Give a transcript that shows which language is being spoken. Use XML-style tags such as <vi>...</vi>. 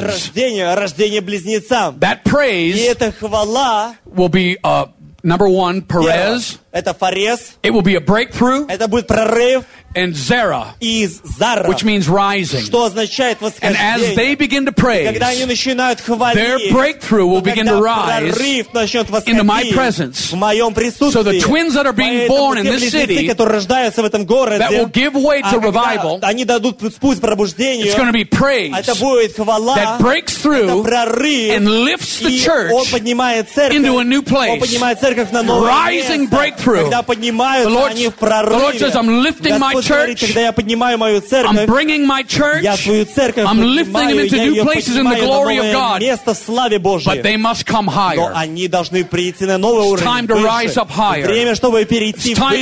<ru>Рождение, рождение близнецам.</ru> <en>That praise</en> <ru>хвала,</ru> <en>will be number one, Perez.</en> <ru>Это Фарес.</ru> <en>It will be a breakthrough.</en> <ru>Это будет прорыв.</ru> <en>And Zerah,</en> <ru>Zara,</ru> <en>which means rising.</en> <ru>Что означает восхождение.</ru> <en>And as they begin to praise,</en> <ru>когда они начинают хвалить,</ru> <en>their breakthrough will begin to rise into my presence.</en> <ru>В моем присутствии.</ru> <en>So the twins that are being born in this city,</en> <ru>которые рождаются в этом городе,</ru> <en>that will give way to revival,</en> <ru>они дадут путь пробуждению.</ru> <en>It's going to be praise,</en> <ru>это будет хвала,</ru> <en>that breaks through,</en> <ru>это прорыв,</ru> <en>and lifts the church,</en> <ru>он поднимает церковь,</ru> <en>into a new place,</en> <ru>он поднимает церковь на новое</ru> <en>rising</en> <ru>место.</ru> <en>Breakthrough.</en> <ru>Когда поднимаются они в прорыве.</ru> <en>The Lord says, I'm lifting my church.</en> <ru>Когда я поднимаю мою церковь,</ru> <en>I'm bringing my church.</en> <ru>Я свою церковь</ru> <en>I'm lifting them into new places in the glory of God.</en> <ru>Место славе Божьей.</ru> <en>But they must come higher.</en> <ru>Но они должны прийти на новый уровень.</ru> <en>It's time to rise up higher.</en> <ru>Время, чтобы перейти выше.</ru>